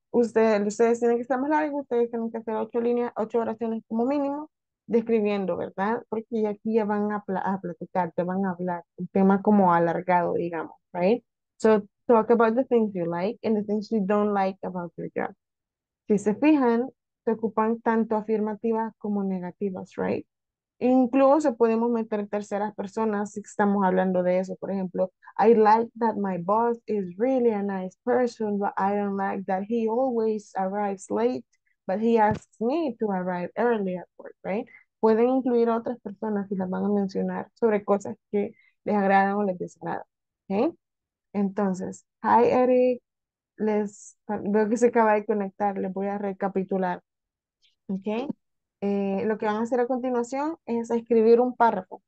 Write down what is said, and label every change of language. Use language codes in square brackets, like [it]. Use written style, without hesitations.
[es] Ustedes tienen que estar más largo, ustedes tienen que hacer 8 oraciones como mínimo. Describiendo, ¿verdad? Porque aquí ya van a platicar, te van a hablar, un tema como alargado, digamos, right? [en] So, talk about the things you like and the things you don't like about your job. [es] Si se fijan, se ocupan tanto afirmativas como negativas, right? Incluso podemos meter terceras personas si estamos hablando de eso. Por ejemplo, [en] I like that my boss is really a nice person, but I don't like that he always arrives late. But he asks me to arrive early at work, right? [es] Pueden incluir a otras personas y las van a mencionar sobre cosas que les agradan o les desagradan, okay? Entonces, hi Eric, veo que se acaba de conectar, les voy a recapitular, okay? Lo que van a hacer a continuación es escribir un párrafo.